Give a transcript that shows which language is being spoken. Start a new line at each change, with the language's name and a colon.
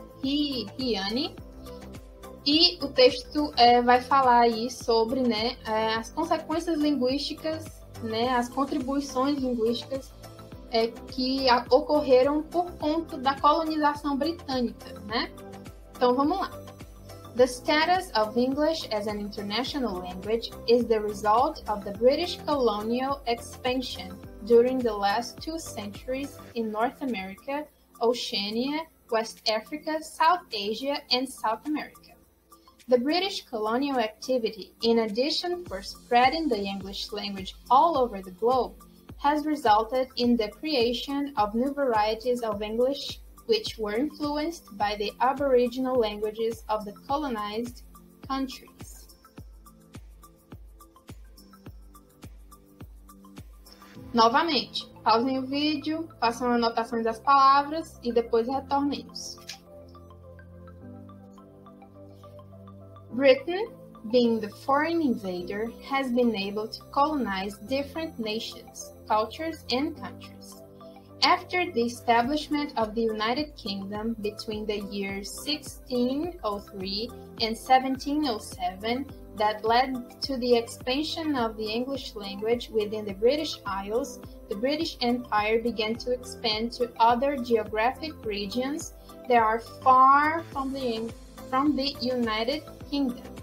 Portuguese: Hiani. E o texto vai falar aí sobre, né, as consequências linguísticas, né, as contribuições linguísticas que ocorreram por conta da colonização britânica, né? Então, vamos lá.
English: The status of English as an international language is the result of the British colonial expansion during the last two centuries in North America, Oceania West Africa, South Asia, and South America. The British colonial activity, in addition for spreading the English language all over the globe, has resulted in the creation of new varieties of English, which were influenced by the Aboriginal languages of the colonized countries.
Portuguese: Novamente, pausem o vídeo, façam anotações das palavras e depois retornemos.
English: Britain, being the foreign invader, has been able to colonize different nations, cultures, and countries. After the establishment of the United Kingdom between the years 1603 and 1707, that led to the expansion of the English language within the British Isles, the British Empire began to expand to other geographic regions that are far from the United Kingdom.